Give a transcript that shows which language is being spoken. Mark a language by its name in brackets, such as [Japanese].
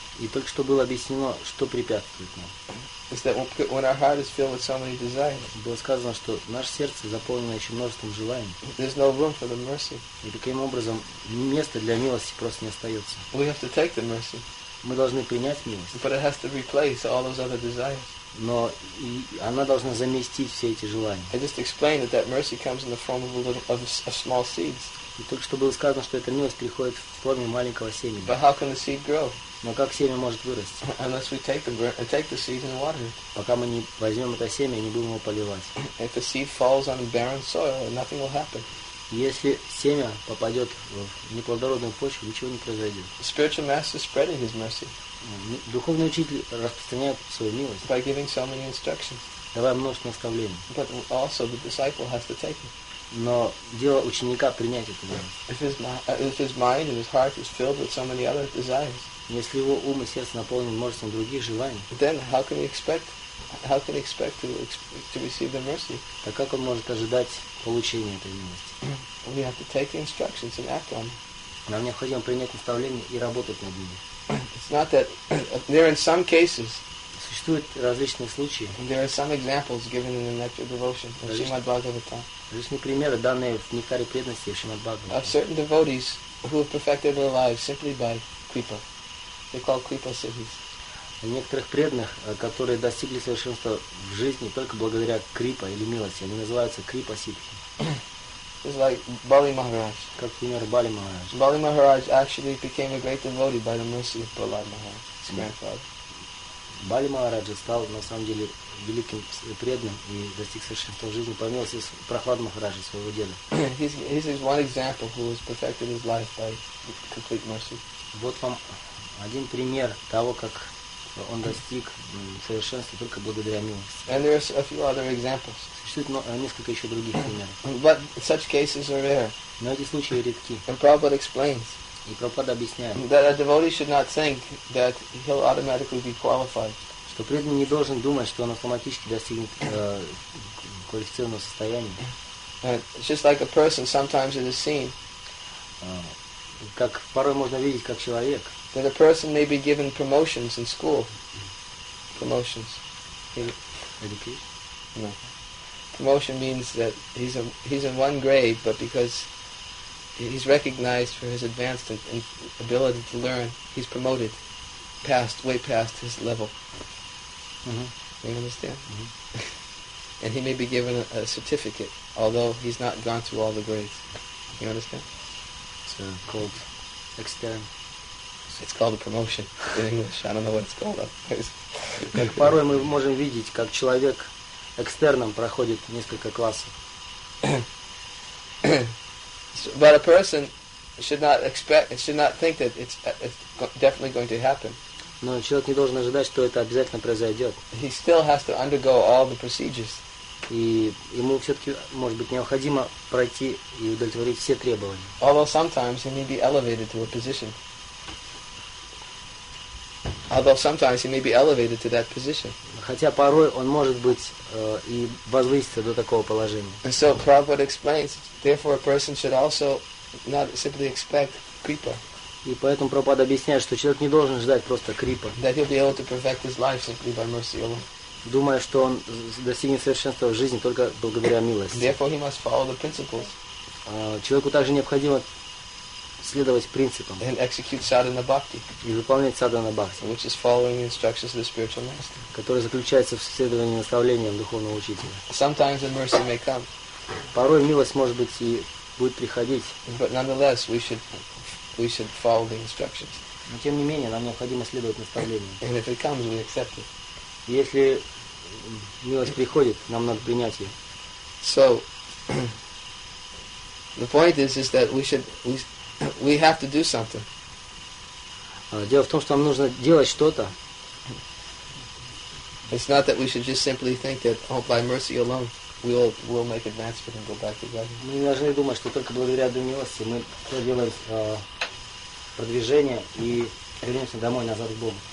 [Russian] И только что было объяснено, что препятствует нам. [English] Is that when our heart is filled with so many desires? [Russian] Было сказано, что наше сердце заполнено еще множеством желаний. [English] There's no room for the mercy. [Russian] И таким образом места для милости просто не остается. [English] We have to take the mercy. [Russian] Мы должны принять милость. [English] But it has to replace all those other desires. [Russian] Но и она должна заместить все эти желания. [English] I just explained that mercy comes in the form of small seeds. [Russian] И только что было сказано, что эта милость приходит в форме маленького семени. [English] But how can the seed grow? [Russian] Но как семя может вырасти? [English] Unless we take the seed and water it. [Russian] Пока мы не возьмем это семя и не будем его поливать. [English] If the seed falls on barren soil, nothing will happen. [Russian] Если семя попадет в неплодородную почву, ничего не произойдет. [English] The spiritual master is spreading his mercy. [Russian] Духовный учитель распространяет свою милость. [English] By giving so many instructions. [Russian] Давая множество наставлений. [English] But also the disciple has to take it. [Russian] Но дело ученика принять это дело. [English] If his mind and his heart is filled with so many other desires. [Russian] Если его ум и сердце наполнены множеством других желаний. [English] Then how can he expect to receive the mercy? [Russian] Так как он может ожидать получения этой милости? [English] We have to take the instructions and act on. [Russian] Нам необходимо принять наставления и работать над ними. [English] It's not that there in some cases. [Russian] Существуют различные случаи. [English] There are some examples given in the Nectar Devotion of Srimad Bhagavatam. [Russian] Различные примеры, данные в Нектаре Преданности и Шримад Бхагаватам. [English] Of certain devotees who have perfected their lives simply by Kripa. They call Kripa Siddhis. [Russian] Некоторых преданных, которые достигли совершенства в жизни только благодаря Крипа или милости, они называются Крипа Сиддхи. [English] It's like Bali Maharaj. [Russian] Как пример Бали Махарадж. [English] Bali Maharaj actually became a great devotee by the mercy of Prahlad Maharaj, his grandfather. [Russian] Бали Махарадж стал на самом деле великим преданным и достиг совершенства жизни по милости Прохлад Махараджа, своего деда. [English] He's one example who has perfected his life by complete mercy. [Russian] Вот вам один пример того, как он достиг совершенства только благодаря милости. [English] And there are a few other examples. [Russian] Существует несколько еще других примеров. [English] But such cases are rare. [Russian] Но эти случаи редки. [English] And Prabhupada explains. [Russian] И Прабхупада объясняет, [English] that a devotee should not think that he'll automatically be qualified. [Russian] Что преданный не должен думать, что он автоматически достигнет квалифицированного состояния. [English] And just like a person, sometimes it is seen. [Russian] Как порой можно видеть, как человек. [English] That a person may be given promotions in school. Promotions. Education? No. Promotion means that he's in one grade, but because he's recognized for his advanced ability to learn, he's promoted past, way past his level. Mm-hmm. You understand? Mm-hmm. And he may be given a certificate, although he's not gone through all the grades. You understand? It's called extern. It's called a promotion in English. I don't know what it's called. [Russian] Как порой мы можем видеть, как человек экстерном проходит несколько классов. [English] But a person should not expect, should not think that it's definitely going to happen. [Russian] Но человек не должен ожидать, что это обязательно произойдет. [English] He still has to undergo all the procedures. [Russian] И ему все-таки, может быть, необходимо пройти и удовлетворить все требования. [English] Although sometimes he may be elevated to a position. Although sometimes he may be elevated to that position. [Russian] Хотя порой он может быть и возвыситься до такого положения. [English] And so Prabhupada explains, therefore a person should also not simply expect kripa. [Russian] И поэтому Прабхупада объясняет, что человек не должен ждать просто крипа. [English] That he'll be able to perfect his life simply by mercy alone. [Russian] Думая, что он достигнет совершенства в жизни только благодаря милости. [English] Therefore he must follow the principles. [Russian] Человеку также необходимо следовать принципам. [English] And execute sadhana bhakti. [Russian] И выполнять sadhana bhakti. [English] Which is following the instructions of the spiritual master. [Russian] Который заключается в следовании наставлениям духовного учителя. [English] Sometimes the mercy may come. [Russian] Порой милость, может быть, и будет приходить. [English] But nonetheless, we should follow the instructions. [Russian] Но тем не менее, нам необходимо следовать наставлениям. [English] And if it comes, we accept it. [Russian] Если милость приходит, нам надо принять ее. [English] So, the point is that we have to do something. [Russian] Дело в том, что нам нужно делать что-то. [English] It's not that we should just simply think that, oh, by mercy alone, we'll make advancement and go back to God. [Russian] Мы не должны думать, что только благодаря милости мы проделаем продвижение и вернемся домой назад к Богу.